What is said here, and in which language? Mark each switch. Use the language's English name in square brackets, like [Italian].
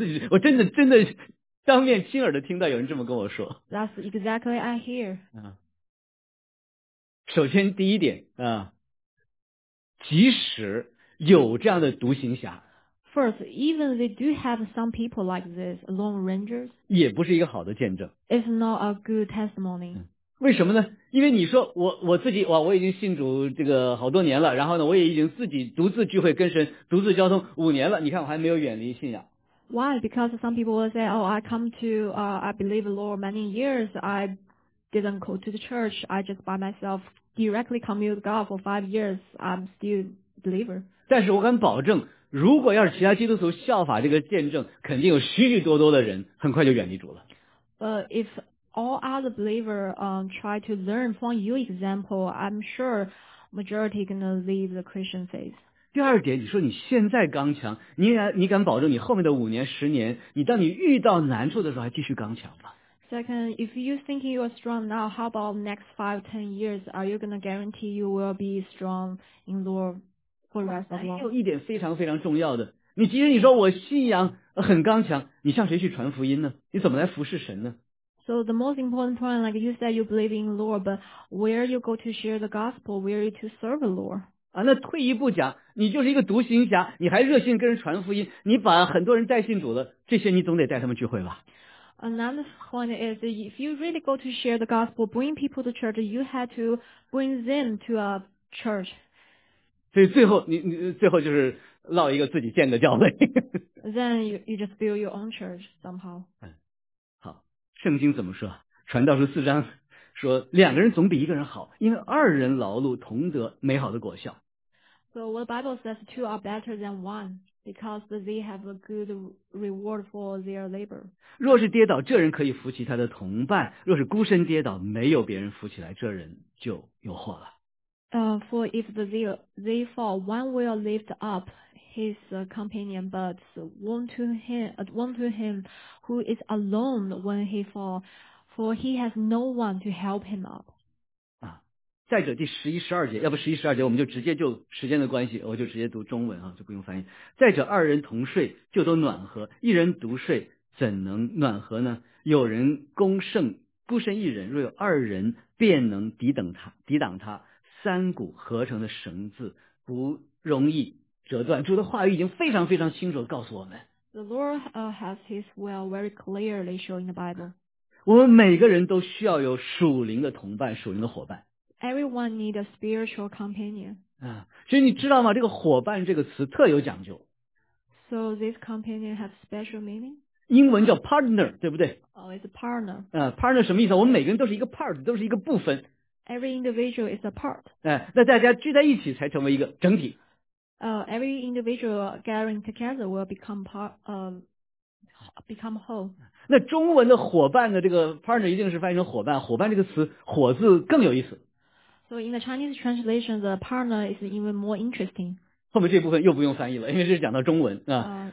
[Chinese] 我真的真的当面亲耳的听到有人这么跟我说。 [English] That's exactly I hear. [Chinese] 首先第一点即使有这样的独行侠。 [English] First, even they do have some people like this, lone rangers, [Chinese] 也不是一个好的见证。 [English] It's not a good testimony. [Chinese] 为什么呢？因为你说我自己哇，我已经信主这个好多年了，然后呢，我也已经自己独自聚会跟神，独自交通五年了。你看我还没有远离信仰。 [English] Why? Because some people will say, "Oh, I come to I believe the Lord many years. I didn't go to the church. I just by myself directly commune with God for 5 years. I'm still believer." [Chinese] 但是我敢保证。如果要是其他基督徒效法这个见证，肯定有许许多多的人很快就远离主了。 [English] If all other believers try to learn from your example, I'm sure majority gonna leave the Christian faith. [Chinese] 第二点，你说你现在刚强，你敢保证你后面的五年、十年，你当你遇到难处的时候还继续刚强吗？ [English] Second, if you thinking you are strong now, how about next 5-10 years? Are you gonna guarantee you will be strong in Lord? [Chinese] 还有一点非常非常重要的，你即使你说我信仰很刚强，你向谁去传福音呢？你怎么来服侍神呢？ [English] So the most important point, like you said, you believe in the Lord, but where you go to share the gospel, where are you to serve the Lord? [Chinese] 啊，那退一步讲，你就是一个独行侠，你还热心跟人传福音，你把很多人带信主了，这些你总得带他们聚会吧。 [English] Another point is if you really go to share the gospel, bring people to church, you had to bring them to a church. [Chinese] 所以最后你最后就是落一个自己建的教会。 [English] Then you just build your own church somehow. [Chinese] 好，圣经怎么说？传道书四章说，两个人总比一个人好，因为二人劳碌同得美好的果效。 [English] So what the Bible says, two are better than one because they have a good reward for their labor. [Chinese] 若是跌倒，这人可以扶起他的同伴；若是孤身跌倒，没有别人扶起来，这人就有祸了。 [English] For if they fall, one will lift up his companion, but woe to him who is alone when he fall, for he has no one to help him up. [Chinese] 啊，再者第十一十二节，要不十一十二节我们就直接就时间的关系，我就直接读中文啊，就不用翻译。再者二人同睡，就都暖和；一人独睡，怎能暖和呢？有人攻胜，孤身一人，若有二人，便能抵挡他。三股合成的绳子不容易折断。主的话语已经非常非常清楚地告诉我们。 [English] The Lord has His will very clearly showing the Bible. [Chinese] 我们每个人都需要有属灵的同伴、属灵的伙伴。 [English] Everyone need a spiritual companion. [Chinese] 啊，所以你知道吗？这个伙伴这个词特有讲究。 [English] So this companion have special meaning. [Chinese] 英文叫 partner, 对不对？ [English] Oh, it's a partner. [Chinese] 啊 ，partner 什么意思？我们每个人都是一个 part, 都是一个部分。 [English] Every individual is a part. [Chinese] 那大家聚在一起才成为一个整体。 [English] Every individual gathering together will become become whole. [Chinese] 那中文的伙伴的这个 partner 一定是翻译成伙伴，伙伴这个词伙字更有意思。 [English] So in the Chinese translation, the partner is even more interesting. [Chinese] 后面这部分又不用翻译了，因为这是讲到中文啊。